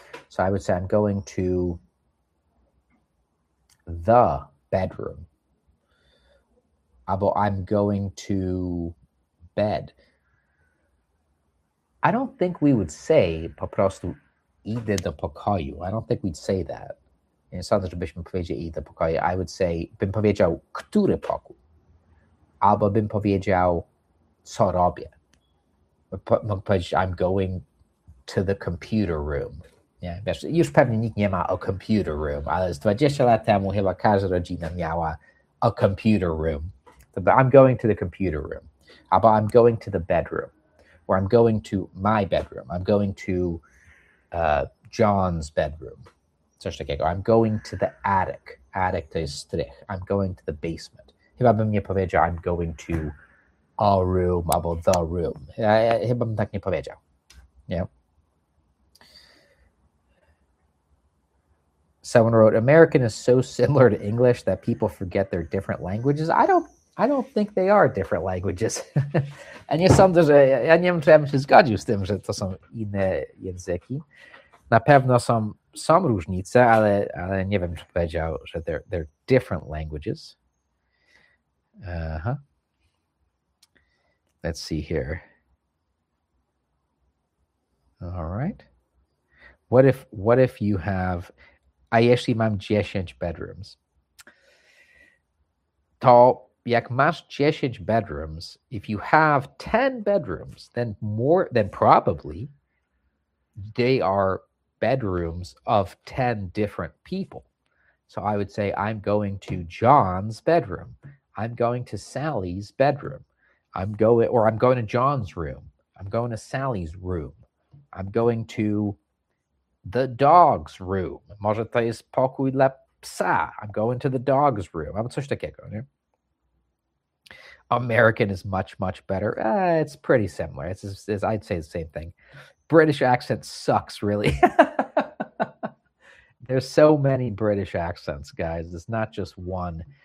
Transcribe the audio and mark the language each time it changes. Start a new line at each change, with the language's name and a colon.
English: So I would say, I'm going to the bedroom. Albo I'm going to bed. I don't think we would say,
Polish: po prostu, idę do pokoju.
English: I don't think we'd say that.
Polish: Nie sądzę, żebyśmy powiedzieli idę do pokoju.
English: I would say,
Polish: bym powiedział, który pokój. Albo bym powiedział, co robię. Mógł powiedzieć,
English: I'm going to the computer room.
Polish: Nie? Wiesz, już pewnie nikt nie ma a computer room, ale z 20 lat temu chyba każda rodzina miała a computer room.
English: But I'm going to the computer room. Albo I'm going to the bedroom. Or I'm going to my bedroom. I'm going to John's bedroom.
Polish: Coś takiego.
English: I'm going to the attic.
Polish: Attic to jest strych.
English: I'm going to the basement.
Polish: Chyba bym nie powiedział,
English: I'm going to a room
Polish: albo the room. Chyba bym tak nie powiedział. Nie?
English: Someone wrote, American is so similar to English that people forget their different languages. I don't think they are different languages.
Polish: A nie sądzę, że ja nie wiem, czy ja bym się zgodził z tym, że to są inne języki. Na pewno są różnice, ale nie wiem, czy powiedział, że
English: they're different languages. Uh-huh. Let's see here. All right. What if you have...
Polish: A jeśli mam 10 bedrooms? To jak masz 10 bedrooms,
English: if you have 10 bedrooms, then more than probably they are bedrooms of 10 different people. So I would say, I'm going to John's bedroom. I'm going to Sally's bedroom. I'm going to John's room. I'm going to Sally's room. I'm going to the dog's room.
Polish: Może to jest pokój dla psa.
English: I'm going to the dog's room.
Polish: Albo coś takiego, nie?
English: American is much, much better. It's pretty similar. It's, I'd say the same thing. British accent sucks, really. There's so many British accents, guys. It's not just one.